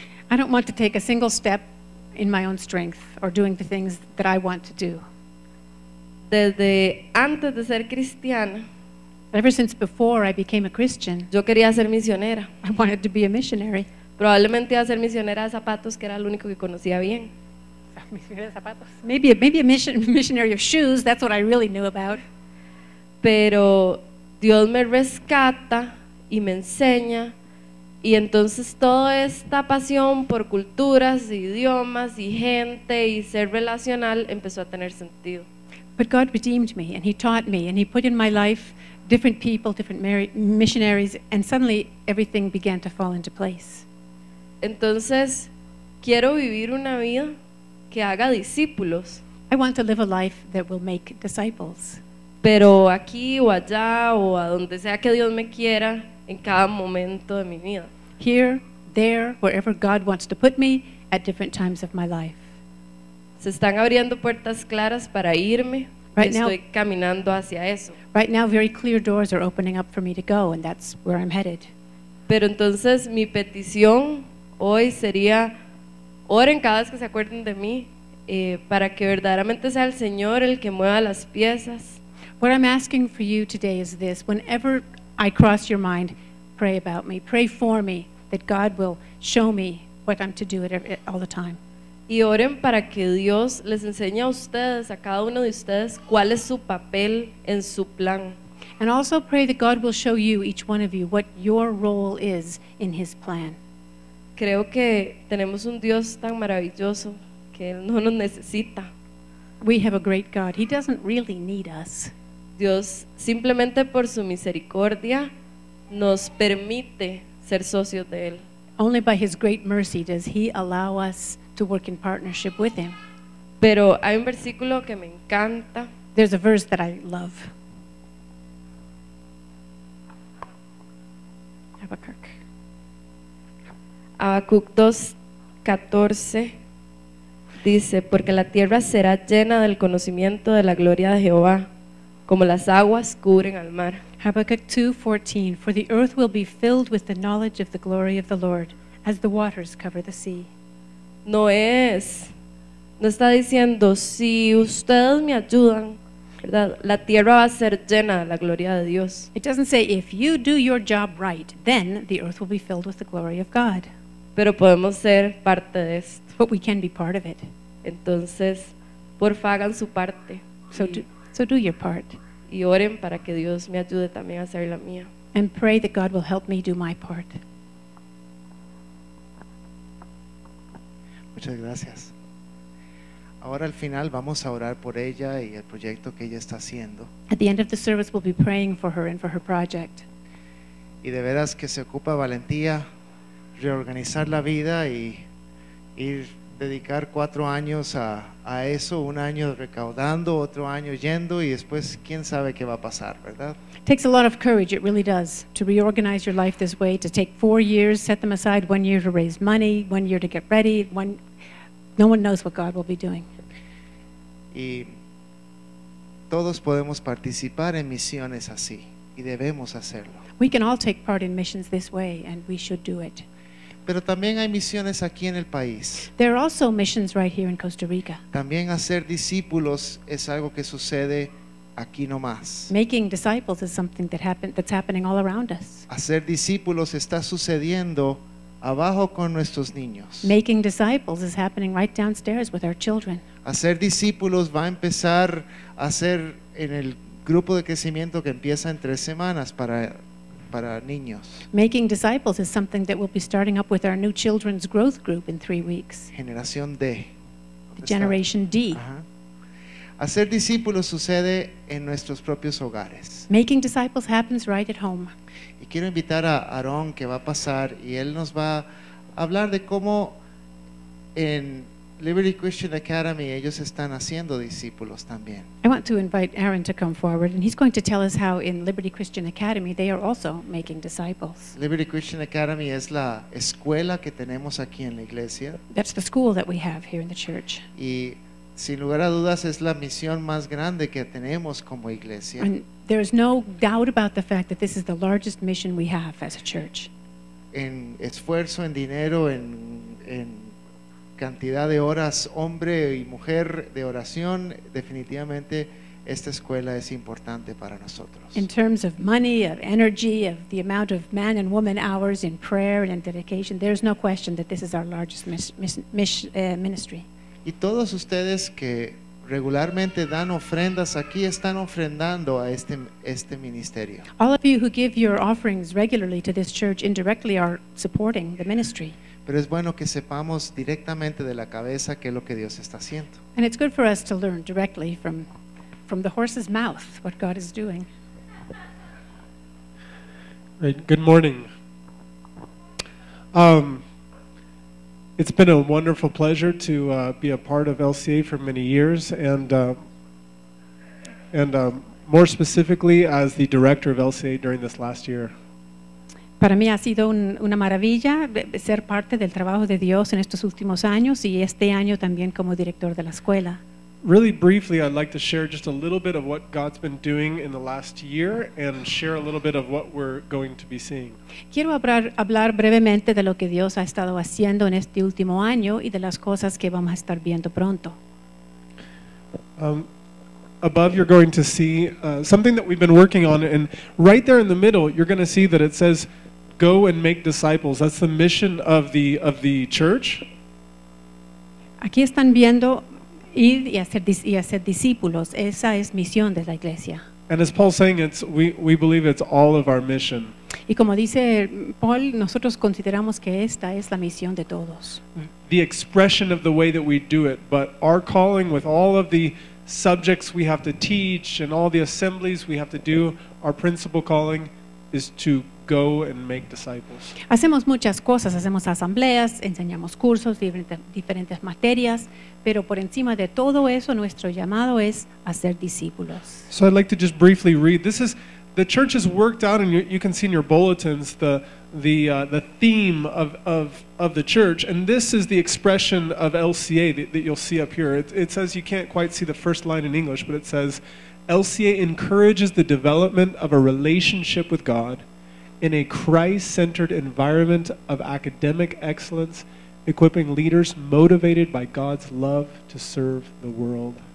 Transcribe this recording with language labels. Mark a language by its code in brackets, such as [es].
[en] I don't want to take a single step in my own strength or doing the things that I want to do. [es] Desde antes de ser cristiana, [en] ever since before I became a Christian, [es] yo quería ser misionera. [en] I wanted to be a missionary. [es] Probablemente iba a ser misionera de zapatos, que era lo único que conocía bien. [en] Maybe a missionary of shoes, that's what I really knew about. [es] Pero Dios me rescata y me enseña, y entonces toda esta pasión por culturas, idiomas y gente y ser relacional empezó a tener sentido. [en] But God redeemed me and he taught me and he put in my life different people, different missionaries, and suddenly everything began to fall into place. [es] Entonces quiero vivir una vida que haga discípulos. [en] I want to live a life that will make disciples. [es] Pero aquí o allá o a donde sea que Dios me quiera, en cada momento de mi vida. [en] Here, there, wherever God wants to put me, at different times of my life. [es] Se están abriendo puertas claras para irme. [en] Right now, [es] estoy caminando hacia eso. [en] Right now, very clear doors are opening up for me to go, and that's where I'm headed. [es] Pero entonces mi petición hoy sería, oren cada vez que se acuerden de mí, para que verdaderamente sea el Señor el que mueva las piezas. [en] What I'm asking for you today is this: whenever I cross your mind, pray about me, pray for me, that God will show me what I'm to do all the time. [es] Y oren para que Dios les enseñe a ustedes, a cada uno de ustedes, cuál es su papel en su plan. [en] And also pray that God will show you, each one of you, what your role is in his plan. [es] Creo que tenemos un Dios tan maravilloso que Él no nos necesita. [en] We have a great God. He doesn't really need us. [es] Dios, simplemente por su misericordia, nos permite ser socios de Él. [en] Only by his great mercy does he allow us to work in partnership with him. [es] Pero hay un versículo que me encanta. [en] There's a verse that I love. [es] Habacuc 2:14 dice, porque la tierra será llena del conocimiento de la gloria de Jehová, como las aguas cubren al mar. [en] Habakkuk 2:14, for the earth will be filled with the knowledge of the glory of the Lord, as the waters cover the sea. [es] No está diciendo, si ustedes me ayudan, ¿verdad?, la tierra va a ser llena de la gloria de Dios. [en] It doesn't say, if you do your job right, then the earth will be filled with the glory of God. [es] Pero podemos ser parte de esto. [en] But we can be part of it. [es] Entonces, porfa, hagan su parte. [en] So do your part. [es] Y oren para que Dios me ayude también a hacer la mía. [en] And pray that God will help me do my part. [es] Muchas gracias. Ahora al final vamos a orar por ella y el proyecto que ella está haciendo. [en] At the end of the service we'll be praying for her and for her project. [es] Y de veras que se ocupa valentía reorganizar la vida y ir dedicar 4 años a eso, un año recaudando, otro año yendo, y después quién sabe qué va a pasar, ¿verdad? [en] Takes a lot of courage, it really does, to reorganize your life this way, to take 4 years, set them aside, 1 year to raise money, 1 year to get ready, no one knows what God will be doing. [es] Y todos podemos participar en misiones así, y debemos hacerlo. [en] We can all take part in missions this way, and we should do it. [es] Pero también hay misiones aquí en el país. [en] There are also missions right here in Costa Rica. [es] También hacer discípulos es algo que sucede aquí nomás. [en] Making disciples is something that's happening all around us. [es] Hacer discípulos está sucediendo abajo con nuestros niños. [en] Making disciples is happening right downstairs with our children. [es] Hacer discípulos va a empezar a hacer en el grupo de crecimiento que empieza en 3 semanas para niños. [en] Making disciples is something that we'll be starting up with our new children's growth group in 3 weeks. [es] Generación D. [en] Generation D. [es] Hacer discípulos sucede en nuestros propios hogares. [en] Making disciples happens right at home. [es] Y quiero invitar a Aarón que va a pasar y él nos va a hablar de cómo en Liberty Christian Academy ellos están haciendo discípulos también. [en] I want to invite Aaron to come forward and he's going to tell us how in Liberty Christian Academy they are also making disciples. [es] Liberty Christian Academy es la escuela que tenemos aquí en la iglesia. [en] That's the school that we have here in the church. [es] Y sin lugar a dudas es la misión más grande que tenemos como iglesia. [en] And there is no doubt about the fact that this is the largest mission we have as a church. [es] En esfuerzo, en dinero, en cantidad de horas, hombre y mujer de oración, definitivamente esta escuela es importante para nosotros. [en] In terms of money, of energy, of the amount of man and woman hours in prayer and in dedication, there is no question that this is our largest ministry. [es] Y todos ustedes que regularmente dan ofrendas aquí están ofrendando a este ministerio. [en] All of you who give your offerings regularly to this church indirectly are supporting the ministry. [es] Pero es bueno que sepamos directamente de la cabeza qué es lo que Dios está haciendo. [en] And it's good for us to learn directly from the horse's mouth what God is doing. Right. Good morning. It's been a wonderful pleasure to be a part of LCA for many years, and more specifically as the director of LCA during this last year. [es] Para mí ha sido una maravilla ser parte del trabajo de Dios en estos últimos años y este año también como director de la escuela. [en] Really briefly, I'd like to share just a little bit of what God's been doing in the last year and share a little bit of what we're going to be seeing. [es] Quiero hablar brevemente de lo que Dios ha estado haciendo en este último año y de las cosas que vamos a estar viendo pronto. [en] Above you're going to see something that we've been working on, and right there in the middle you're going to see that it says go and make disciples. That's the mission of the church. [es] Aquí están viendo ir y hacer discípulos. Esa es misión de la iglesia. [en] And as Paul's saying, it's we believe it's all of our mission. [es] Y como dice Paul, nosotros consideramos que esta es la misión de todos. [en] The expression of the way that we do it, but our calling with all of the subjects we have to teach and all the assemblies we have to do, our principal calling is to go and make disciples. [es] Hacemos muchas cosas, hacemos asambleas, enseñamos cursos, diferentes materias, pero por encima de todo eso nuestro llamado es hacer discípulos. [en] So I'd like to just briefly read. This is the church has worked out, and you can see in your bulletins the theme of the church, and this is the expression of LCA that you'll see up here. It says, you can't quite see the first line in English, but it says, LCA encourages the development of a relationship with God in a Christ-centered environment of academic excellence, equipping leaders motivated by God's love to serve the world.